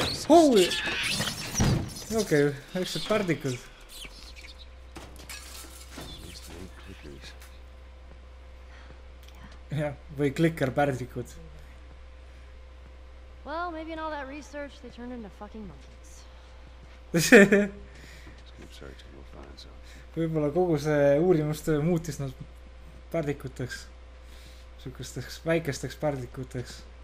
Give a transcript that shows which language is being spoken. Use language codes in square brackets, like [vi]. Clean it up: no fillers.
[et] Holy! Okei, väiksed pärdikud. Jah, või clicker pärdikud. [en] Well, maybe in all that research, they turned into fucking monkeys. [et] Võibolla kogu see uurimustöö muutis nad pärdikuteks. Sukusteks väikesteks pärdikuteks.